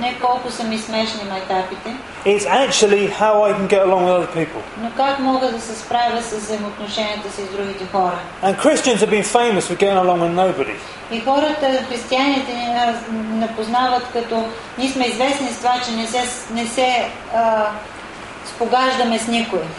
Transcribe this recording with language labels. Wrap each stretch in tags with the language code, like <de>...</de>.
<bg>Не колко са ми смешни майтапите.</bg> <en>It's actually how I can get along with other people.</en> <bg>Но как мога да се справя с взаимоотношенията си с другите хора?</bg> <en>And Christians have been famous for getting along with nobody.</en> <bg>И хората, християните ни напознават като ние сме известни с това, че не се спогаждаме с никой.</bg>